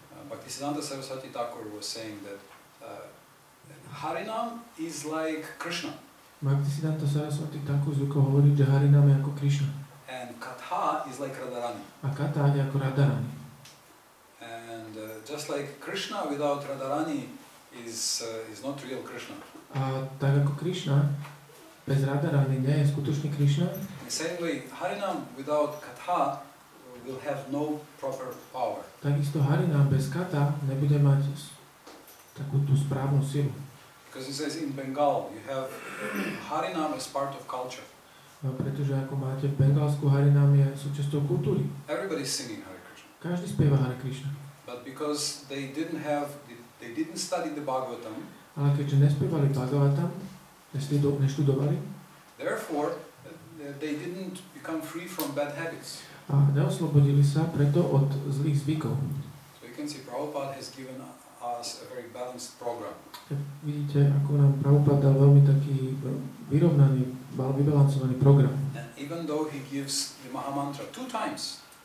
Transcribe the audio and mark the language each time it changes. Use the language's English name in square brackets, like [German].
[English] Bhaktisiddhanta Sarasvati Thakur was saying that Harinam is like Krishna. [Slovak] Bhaktisiddhanta Sarasvati Thakur zvykol hovoriť, že Harinam je ako Krishna. [English] And Katha is like Radharani. [Slovak] A Katha je ako Radharani. [English] And just like Krishna without Radharani is not real Krishna. [Slovak] A tak ako Krishna bez Radharani nie je skutočný Krishna. [English] In the same way, Harinam without Katha will have no proper power. [Slovak] Takisto Harinam bez Katha nebude mať takú tú správnu silu. [English] Because it says in Bengal you have Harinam as part of culture. [Slovak] No, pretože ako máte bengalskú Harinam je súčasťou kultúry. [English] Everybody is singing Hare Krishna. [Slovak] Každý spieva Hare Krishna. [English] But because they didn't study the Bhagavatam. [Slovak] Ale keďže nespievali Bhagavatam, neštudovali. [English] Therefore they didn't become free from bad habits. [Slovak] A neoslobodili sa preto od zlých zvykov. [English] So you can see Prabhupada has given us a very balanced program. [Slovak] Vidíte, ako nám Prabhupada dal veľmi taký vyrovnaný, vybalancovaný program. [English] And even though he gives the Mahamantra two times.